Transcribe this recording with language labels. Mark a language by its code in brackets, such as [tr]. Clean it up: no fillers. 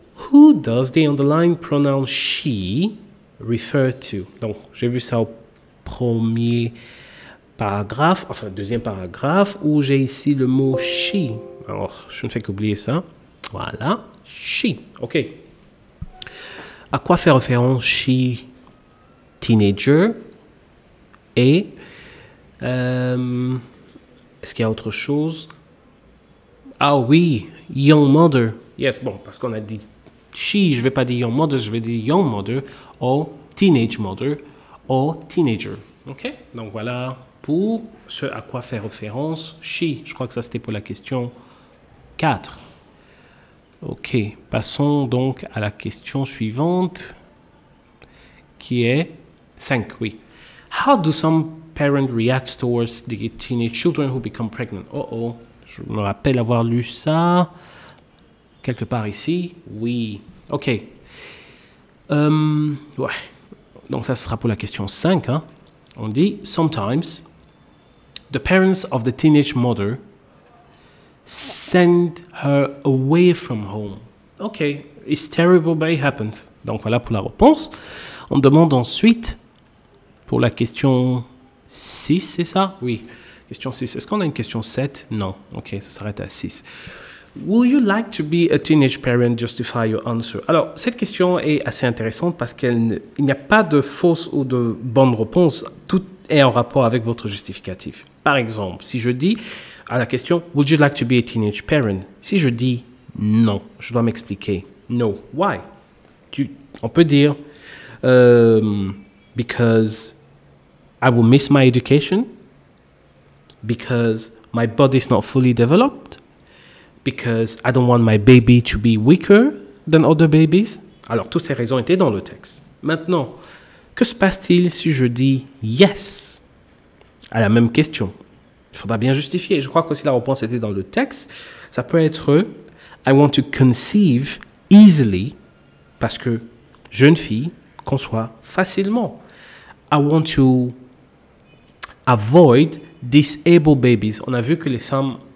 [en] Who does the underlined pronoun she refer to? [fr] Donc, j'ai vu ça au premier paragraphe, enfin, deuxième paragraphe, où j'ai ici le mot she. Alors, je ne fais qu'oublier ça. Voilà. She. OK. À quoi fait référence she? Teenager. Et est-ce qu'il y a autre chose? Ah oui. [en] Young mother. Yes. [fr] Bon, parce qu'on a dit she, je ne vais pas dire young mother, je vais dire young mother ou teenage mother ou teenager. OK. Donc voilà pour ce à quoi fait référence she. Je crois que ça c'était pour la question 4. OK, passons donc à la question suivante, qui est 5, oui. [en] How do some parents react towards the teenage children who become pregnant? [fr] Oh, je me rappelle avoir lu ça quelque part ici. Oui, OK. Ouais, donc ça sera pour la question 5. Hein. On dit, [en] sometimes, the parents of the teenage mother send her away from home. OK, it's terrible, but it happens. [fr] Donc voilà pour la réponse. On demande ensuite pour la question 6, c'est ça? Oui, question 6. Est-ce qu'on a une question 7? Non. OK, ça s'arrête à 6. [en] Will you like to be a teenage parent? Justify your answer. [fr] Alors, cette question est assez intéressante parce qu'il n'y a pas de fausse ou de bonne réponse. Tout est en rapport avec votre justificatif. Par exemple, si je dis à la question, [en] would you like to be a teenage parent? [fr] Si je dis non, je dois m'expliquer. [en] No. Why? [fr] On peut dire, [en] because I will miss my education, because my body is not fully developed, because I don't want my baby to be weaker than other babies. [fr] Alors, toutes ces raisons étaient dans le texte. Maintenant, que se passe-t-il si je dis yes à la même question? Il faudra bien justifier. Je crois que si la réponse était dans le texte, ça peut être « [en] I want to conceive easily [fr] » parce que « jeune fille conçoit facilement ».« [en] I want to avoid disabled babies [fr] ». On a vu que les femmes